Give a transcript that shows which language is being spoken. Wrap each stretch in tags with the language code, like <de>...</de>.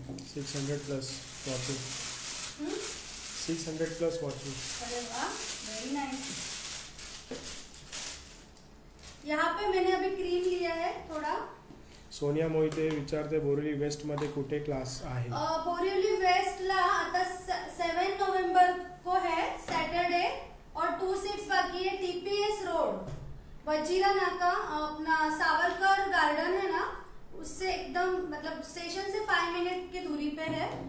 <en>Six hundred plus watching. 600 plus watching.</en> <hi>अरे वाह,</hi> <en>Very nice.</en> <hi>यहाँ पे मैंने अभी क्रीम लिया है थोड़ा।</hi> <mr>सोनिया मोहिते विचारते बोरिवली वेस्ट मध्ये कुठे क्लास आहे।</mr> <hi>बोरिवली वेस्ट</hi> <mr>ला आता</mr> <hi>7 नोव्हेंबर को है, सैटरडे, और 2 सीट्स बाकी है। टीपीएस रोड वजीरा नाका, अपना सावरकर गार्डन है ना, उससे एकदम मतलब स्टेशन से 5 मिनट की दूरी पे है।</hi>